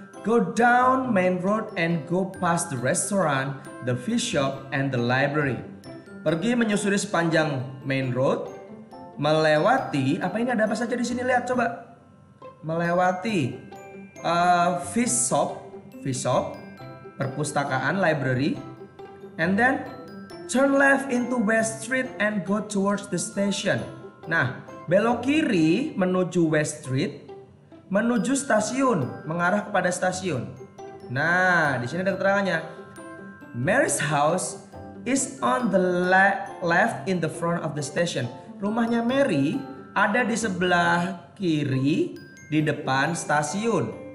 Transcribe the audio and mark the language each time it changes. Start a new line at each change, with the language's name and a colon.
English: Go down main road and go past the restaurant, the fish shop, and the library.
Indonesian: Pergi menyusuri sepanjang
English: main road.
Indonesian: Melewati, apa ini ada apa saja di sini? Lihat coba. Melewati fish shop, perpustakaan, library.
English: And then turn left into West Street and go towards the station.
Indonesian: Nah, belok kiri menuju West Street, menuju stasiun, mengarah kepada stasiun. Nah, di sini ada keterangannya.
English: Mary's house is on the left in the front of the station.
Indonesian: Rumahnya Mary ada di sebelah kiri di depan stasiun.